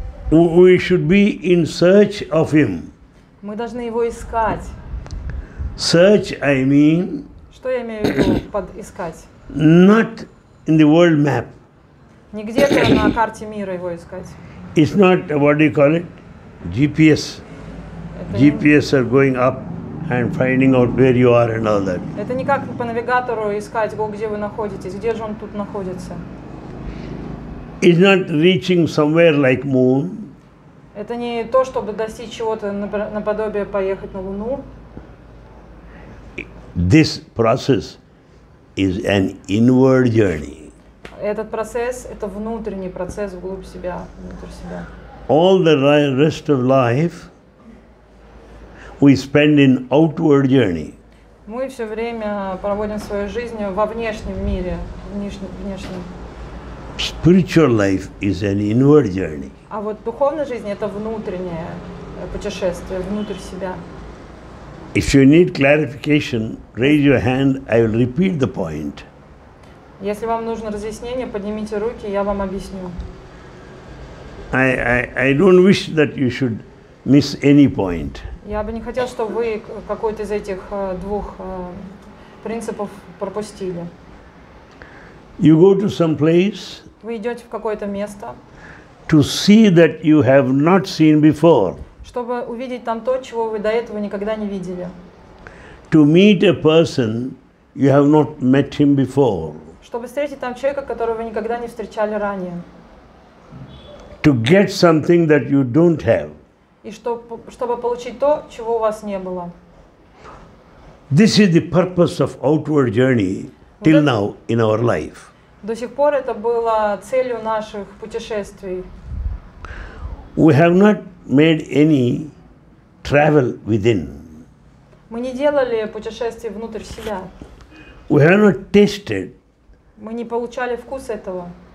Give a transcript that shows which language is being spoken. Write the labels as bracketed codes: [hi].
[en] we should be in search of him. [ru] Мы должны его искать. [en] Search, I mean, [ru] что я имею в виду под искать? [en] Not in the world map. [ru] Не где-то на карте мира его искать. [en] It's not, what do you call it? GPS. GPS are going up and finding out where you are and all that. [ru] Это не как по навигатору искать, где вы находитесь, где же он тут находится. [en] It's not reaching somewhere like moon. [ru] Это не то, чтобы достичь чего-то наподобие поехать на Луну. [en] This process is an inward journey. [ru] Этот процесс – это внутренний процесс вглубь себя, внутрь себя. [en] All the rest of life, we spend in outward journey. [ru] Мы все время проводим свою жизнь во внешнем мире, внешнем. [en] Spiritual life is an inward journey. [ru] А вот духовная жизнь — это внутреннее путешествие внутрь себя. [en] If you need clarification, raise your hand. I will repeat the point. [ru] Если вам нужно разъяснение, поднимите руки, я вам объясню. [en] I don't wish that you should miss any point. [ru] Я бы не хотел, чтобы вы какой-то из этих двух принципов пропустили. [en] You go to some place. [ru] Вы идете в какое-то место. [en] To see that you have not seen before. [ru] Чтобы увидеть там то, чего вы до этого никогда не видели. [en] To meet a person you have not met him before. [ru] Чтобы встретить там человека, которого вы никогда не встречали ранее. [en] To get something that you don't have. [ru] И чтобы получить то, чего у вас не было. [en] This is the purpose of outward journey till now in our life. [ru] До сих пор это было целью наших путешествий. [en] We have not made any travel within. [ru] Мы не делали путешествий внутрь себя. [en] We have not tasted. [ru] Мы не получали вкус этого.